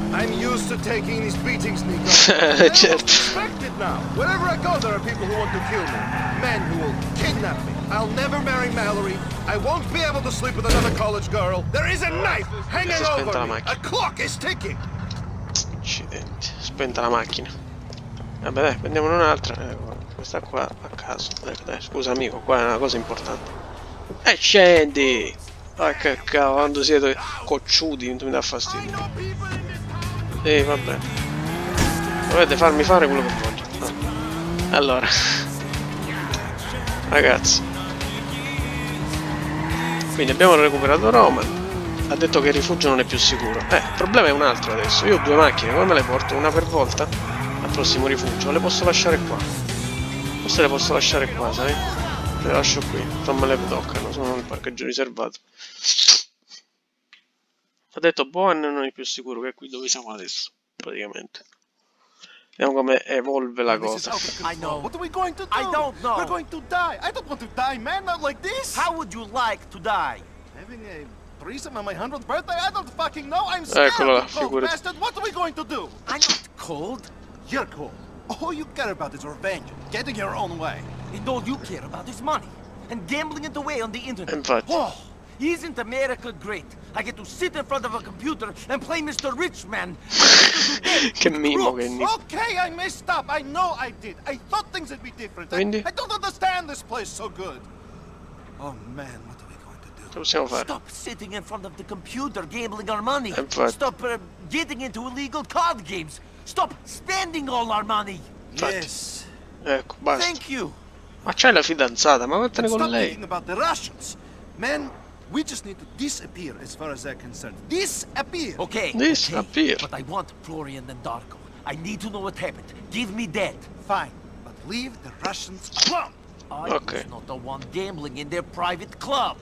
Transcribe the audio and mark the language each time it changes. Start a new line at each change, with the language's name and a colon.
English: I'm used to taking these beatings, Nico.
Italian: Certo.
English: Respect it now. Wherever I go, there are people who want to kill me. Men who will kidnap me. I'll never marry Mallory. I won't be able to sleep with another college girl. There is a knife hanging over me. A clock is ticking.
Italian: Accidenti. Spenta la macchina. Vabbè, dai, prendiamo un'altra. Questa qua a caso. Dai, scusa, amico, qua è una cosa importante. E scendi! Ah, che cavolo, quando siete cocciuti mi dà fastidio. Ehi, vabbè. Dovete farmi fare quello che voglio. No. Allora. Ragazzi. Quindi abbiamo recuperato Roman. Ha detto che il rifugio non è più sicuro. Il problema è un altro adesso. Io ho due macchine, come me le porto? Una per volta al prossimo rifugio. Le posso lasciare qua. Forse le posso lasciare qua, sai? Le lascio qui, non me le toccano, sono nel parcheggio riservato. Ha detto Bohan non è più sicuro, che è qui dove siamo adesso, praticamente. Vediamo come evolve la cosa.
English: What are we going to do? I don't know. We're going to die. I don't want to die, man, not like this. How would you like to die? Having a threesome on my 100th birthday? I don't fucking know. I'm scared.
Italian: Eccolo là, figurati.
English: Bastard, what are we going to do? I'm not cold. You're cold. All you care about is revenge, getting your own way. And all you care about is money and gambling it away on the internet.
Italian: Infatti.
English: Oh, isn't America great? I get to sit in front of a computer and play Mr. Rich Man. Che mimo che ne. Okay, I messed up. I know I did. I thought things would be different.
Italian: Quindi?
English: I don't understand this place so good. Oh man, what are we going to do?
Italian: Che possiamo fare?
English: Stop sitting in front of the computer gambling our money.
Italian: Infatti.
English: Stop getting into illegal card games. Stop spending all our money.
Italian: Infatti.
English: Yes.
Italian: Ecco, basta.
English: Thank you.
Italian: Ma c'hai la fidanzata, ma vattene con lei.
English: About the Russians. Men, we just need to disappear as far as they're concerned. Disappear. Okay. Disappear. But I want Florian and Darko. I need to know what happened. Give me that. Fine, but leave the Russians alone. I okay. was not the one gambling in their private club.